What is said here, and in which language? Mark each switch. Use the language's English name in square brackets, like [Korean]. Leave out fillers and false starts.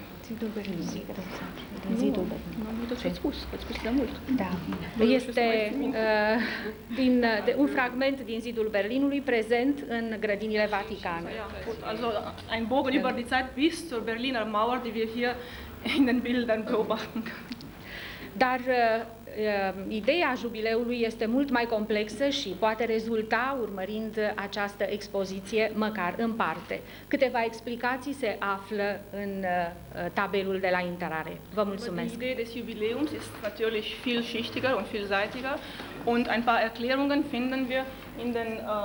[Romanian] Este un fragment din zidul Berlinului prezent în grădinile Vaticane. [German] Also ein Bogen über die Zeit bis zur Berliner Mauer, die wir hier in den Bildern beobachten. [Romanian] Dar ideea jubileului este mult mai complexă și poate rezulta urmărind această expoziție măcar în parte. Câteva explicații se află în tabelul de la intrare. Vă mulțumesc. [German] Ideea des Jubiläums ist natürlich vielschichtiger und vielseitiger und ein paar Erklärungen finden wir in den